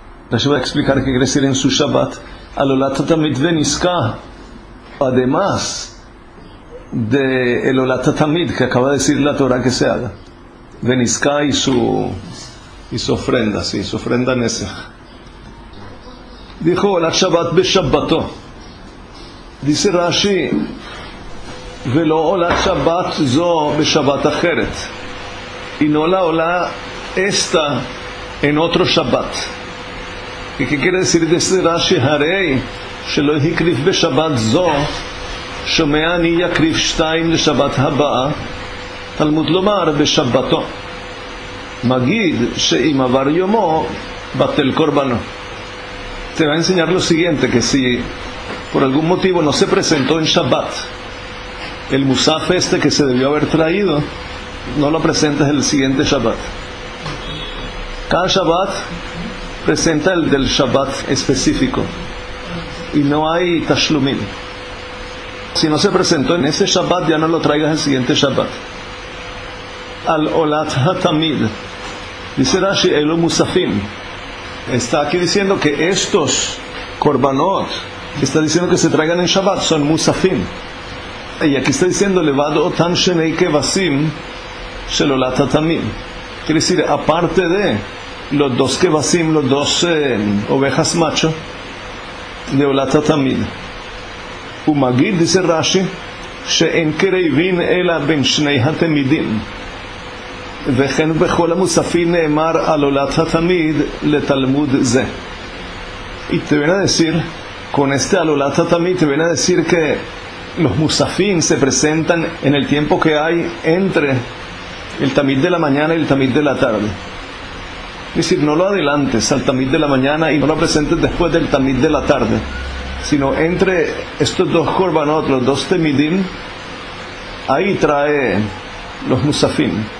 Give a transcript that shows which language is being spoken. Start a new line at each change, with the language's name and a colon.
Spanish: Les voy a explicar qué quiere decir en su Shabbat.
Hebrew: Al Olá Tatamid Veniska,
Spanish: además de el Olá Tatamid que acaba de decir la Torah que se haga, Veniska y su ofrenda, sí, su ofrenda Nesach. Dijo
Hebrew: Olá Shabbat Beshabbató.
Spanish: Dice Rashi,
Hebrew: ולא עולה שבת זו בשבת אחרת.
Spanish: Y no la עולה esta en otro שבת. ¿Y qué quiere decir de este Rashi?
Hebrew: הרי שלא הקריף בשבת זו, שומע אני יקריף שתיים לשבת הבאה, תלמוד לומר בשבתו. מגיד שאם עבר יומו, בטל קורבנו.
Spanish: Te va a enseñar lo siguiente, que si por algún motivo no se presentó en Shabbat, el Musaf este que se debió haber traído, no lo presentes el siguiente Shabbat. Cada Shabbat presenta el del Shabbat específico, y no hay Tashlumin. Si no se presentó en ese Shabbat, ya no lo traigas el siguiente Shabbat. Al Olat HaTamid, dice Rashi, Elo Musafim. Está aquí diciendo que estos Korbanot, está diciendo que se traigan en Shabbat, son Musafim. Y aquí está diciendo,
Hebrew: Levado Otan Shenei Kevasim Shelolat Tatamim.
Spanish: Quiere decir, aparte de los dos Kevasim, los dos ovejas macho de Olat Tatamim.
Hebrew: Umagid,
Spanish: dice Rashi,
Hebrew: Sheen Kereivin Ela Ben Shnei Hatemidim. וכן בכל המוספים נאמר על עולת התמיד לתלמוד זה.
Spanish: Y te viene a decir, con este al עולת התמיד, te viene a decir que los musafim se presentan en el tiempo que hay entre el tamid de la mañana y el tamid de la tarde. Es decir, no lo adelantes al tamid de la mañana y no lo presentes después del tamid de la tarde, sino entre estos dos korbanot, los dos temidim, ahí trae los musafim.